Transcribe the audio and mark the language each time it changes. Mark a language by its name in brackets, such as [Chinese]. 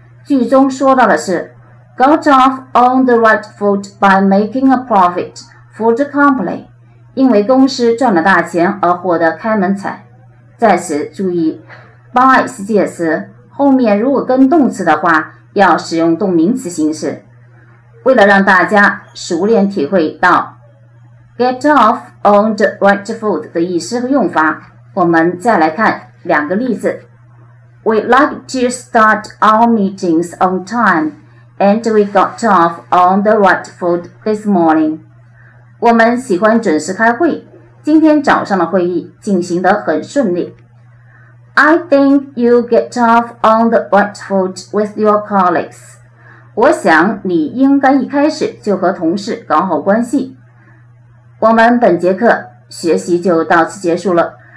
[English] 句中说到的是 got off on the right foot by making a profit for the company. [Chinese] 因为公司赚了大钱而获得开门彩。在此注意 by 是介词，后面如果跟动词的话要使用动名词形式。为了让大家熟练体会到 get off on the right foot 的意思和用法，我们再来看两个例子。 [English] We like to start our meetings on time, and we got off on the right foot this morning. [Chinese] 我们喜欢准时开会，今天早上的会议进行得很顺利。 [English] I think you get off on the right foot with your colleagues. [Chinese] 我想你应该一开始就和同事搞好关系。我们本节课学习就到此结束了。